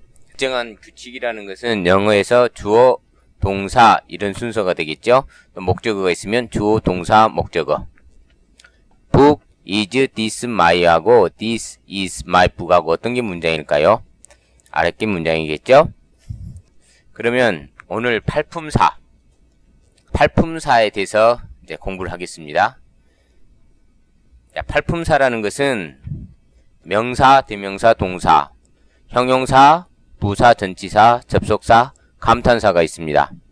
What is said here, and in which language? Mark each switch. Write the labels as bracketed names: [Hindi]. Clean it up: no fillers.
[Korean] 일정한 규칙이라는 것은 영어에서 주어, 동사 이런 순서가 되겠죠. 목적어가 있으면 주어, 동사, 목적어. [English] Book Is this my 하고 this is my book [Korean] 하고 어떤 게 문장일까요? 아랫게 문장이겠죠? 그러면 오늘 팔품사에 대해서 이제 공부를 하겠습니다. 팔품사라는 것은 명사, 대명사, 동사, 형용사, 부사, 전치사, 접속사, 감탄사가 있습니다.